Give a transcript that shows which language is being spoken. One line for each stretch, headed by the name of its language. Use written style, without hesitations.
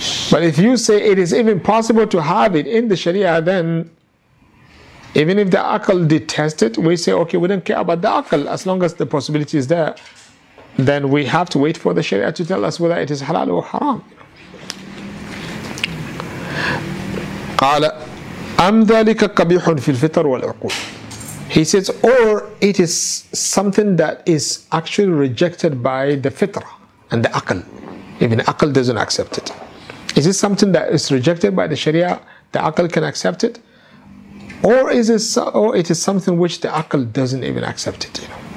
English: But if you say it is even possible to have it in the sharia, then even if the aql detests it, we say, okay, we don't care about the aql as long as the possibility is there. Then we have to wait for the sharia to tell us whether it is halal or haram.
Arabic: قال أم ذلك قبيح في الفطر والعقول.
English: He says, or it is something that is actually rejected by the fitra and the aql. Even Aql doesn't accept it. Is it something that is rejected by the Sharia? The Aql can accept it? Or is it so, or it is something which the Aql doesn't even accept it?